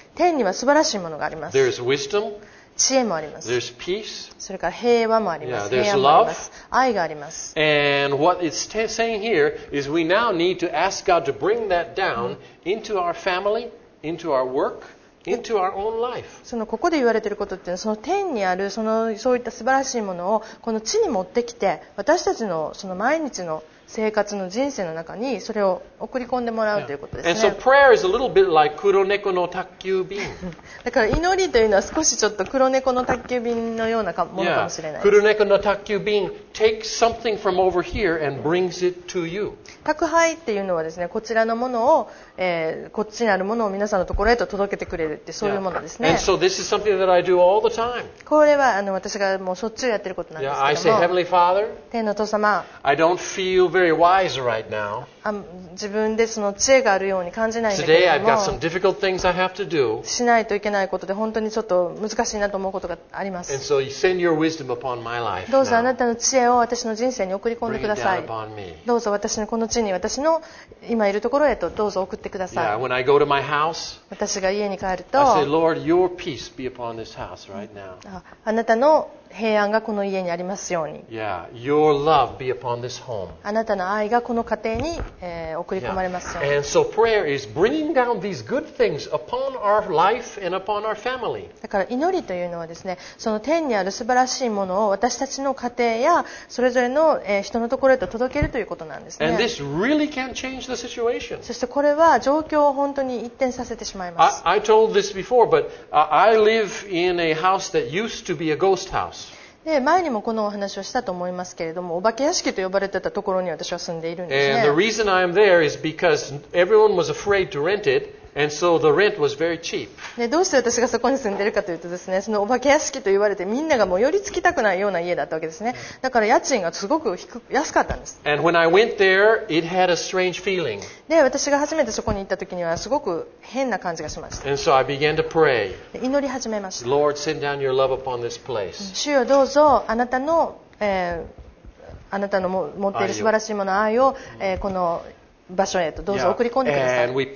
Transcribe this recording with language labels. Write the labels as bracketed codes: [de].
[ja] 天には素晴らしいものがあります。 [en] There is wisdom. [ja] 知恵もあります。 [en] There's peace. [ja] それから平和もあります。 [en] Yeah, there's love. [ja] 愛があります。 [en] And what it's saying here is we now need to ask God to bring that down into our family, into our work. Into our own life. [ja] そのここで言われていることっていうのは、その天にあるそのそういった素晴らしいものをこの地に持ってきて、私たちのその毎日の生活の人生の中にそれを送り込んでもらうということですね。 [en] And so prayer is a little bit like 黒猫の宅急便。 [ja] だから祈りというのは少しちょっと黒猫の宅急便のようなものかもしれない。 [en] 黒猫の宅急便 takes something from over here and brings it to you. [ja] 宅配っていうのはですね、こちらのものを、こっちにあるものを皆さんのところへと届けてくれるってそういうものですね。 [en] And so this is something that I do all the time. [ja] これは私がもうしょっちゅうやってることなんですけども。 [en] Yeah, I say, Heavenly Father. [ja] 天の父様。 [en] I don't feel very wise right now. [ja] 自分でその知恵があるように感じないんだけども。 [en] Today I've got some difficult things I have to do. [ja] しないといけないことで本当にちょっと難しいなと思うことがあります。 [en] And so you send your wisdom upon my life. [ja] どうぞあなたの知恵を私の人生に送り込んでください。 [en] Bring it down upon me. [ja] どうぞ私のこの地に私の今いるところへとどうぞ送ってください。 [en] Yeah, when I go to my house. [ja] 私が家に帰ると。 [en] I say, Lord, your peace be upon this house right now. [ja] あなたの平安がこの家にありますように。 [en] Yeah, your love be upon this home. [ja] あなたの愛がこの家庭に、送り込まれますように。 [en] Yeah. And so prayer is bringing down these good things upon our life and upon our family. [ja] だから祈りというのはですね、その天にある素晴らしいものを私たちの家庭やそれぞれの、人のところへと届けるということなんですね。 [en] And this really can change the situation. [ja] そしてこれは状況を本当に一転させてしまいます。 [en] I told this before, but I live in a house that used to be a ghost house. [ja] で前にもこのお話をしたと思いますけれども、お化け屋敷と呼ばれてたところに私は住んでいるんですね。 [en] And the reason I'm there is because everyone was afraid to rent it, and so the rent was very cheap. [ja] でどうして私がそこに住んでるかというとですね、そのお化け屋敷と言われてみんながもう寄りつきたくないような家だったわけですね。だから家賃がすごく低く安かったんです。 [en] And when I went there, it had a strange feeling. [ja] で私が初めてそこに行った時にはすごく変な感じがしました。 [en] And so I began to pray. [ja] 祈り始めました。 [en] Lord, send down your love upon this place. [ja] 主よどうぞあなたの、あなたの持っている素晴らしいもの愛を、この場所へとどうぞ送り込んでください。